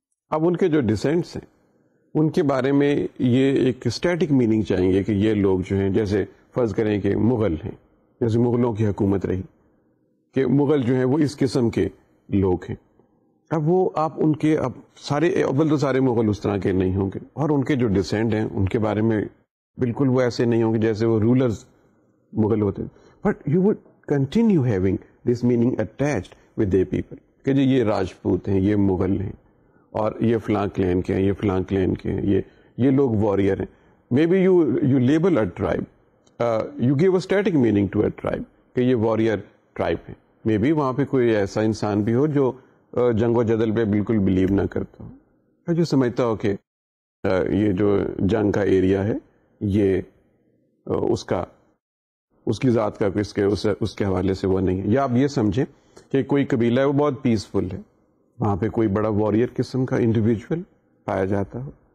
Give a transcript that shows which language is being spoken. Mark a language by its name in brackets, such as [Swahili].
[Urdu] اب ان کے جو ڈسینٹس ہیں ان کے بارے میں یہ ایک اسٹیٹک میننگ چاہیں گے کہ یہ لوگ جو ہیں جیسے فرض کریں کہ مغل ہیں, جیسے مغلوں کی حکومت رہی کہ مغل جو ہیں وہ اس قسم کے لوگ ہیں. اب وہ آپ ان کے اب سارے اول تو سارے مغل اس طرح کے نہیں ہوں گے اور ان کے جو ڈسینٹ ہیں ان کے بارے میں بالکل وہ ایسے نہیں ہوں گے جیسے وہ رولرز مغل ہوتے ہیں. [English] But you would continue having this meaning attached with their people. [Urdu] کہ جی یہ راجپوت ہیں, یہ مغل ہیں اور یہ فلاں کلین کے ہیں, یہ فلاں کلین کے ہیں, یہ لوگ واریئر ہیں. [English] may be you label a tribe, you give a static meaning to a tribe [Urdu] کہ یہ واریئر ٹرائب ہیں. مے بی وہاں پہ کوئی ایسا انسان بھی ہو جو جنگ و جدل پہ بالکل بلیو نہ کرتا ہو, جو سمجھتا ہو کہ یہ جو جنگ کا ایریا ہے یہ اس کی ذات کا کس کے اس کے حوالے سے وہ نہیں ہے. یا آپ یہ سمجھیں کہ کوئی قبیلہ ہے وہ بہت پیسفل ہے, وہاں پہ کوئی بڑا واریئر قسم کا انڈیویجول پایا جاتا ہو.